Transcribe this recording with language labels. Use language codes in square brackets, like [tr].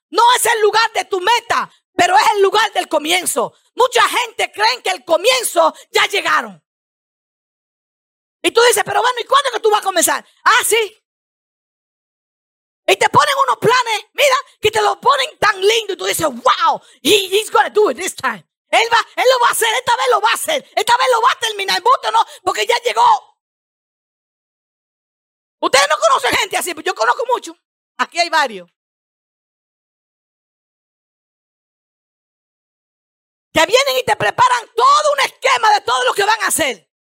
[es] No es el lugar de tu meta, pero es el lugar del comienzo. Mucha gente cree que el comienzo ya llegaron. Y tú dices, pero bueno, ¿y cuándo es que tú vas a comenzar? Ah, sí. Y te ponen unos planes, mira, que te los ponen tan lindo. Y tú dices, [en] wow, he's gonna do it this time. [es] Él lo va a hacer, esta vez lo va a hacer. Esta vez lo va a terminar, ¿no? Porque ya llegó. Ustedes no conocen gente así, pero yo conozco mucho. Aquí hay varios. Que vienen y te preparan todo un esquema de todo lo que van a hacer.